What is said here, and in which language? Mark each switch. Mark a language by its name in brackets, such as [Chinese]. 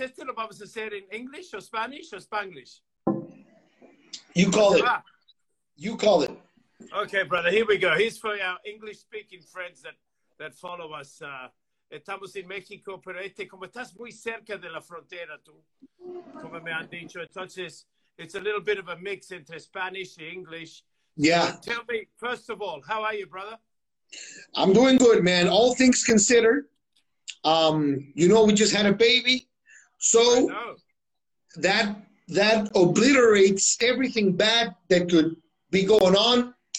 [Spanish] ¿Esto lo vamos a hacer en [English] English or Spanish or Spanglish? You call it. Okay, brother. Here we go. Here's for our English-speaking friends that follow us. [Spanish] Estamos en México, pero como estás muy cerca de la frontera, tú, como me han dicho. [English] Entonces, it's a little bit of a mix entre Spanish and English. Yeah. So tell me, first of all, how are you, brother? I'm doing good, man. All things considered. You know, we just had a baby. So that obliterates everything bad that could be going on.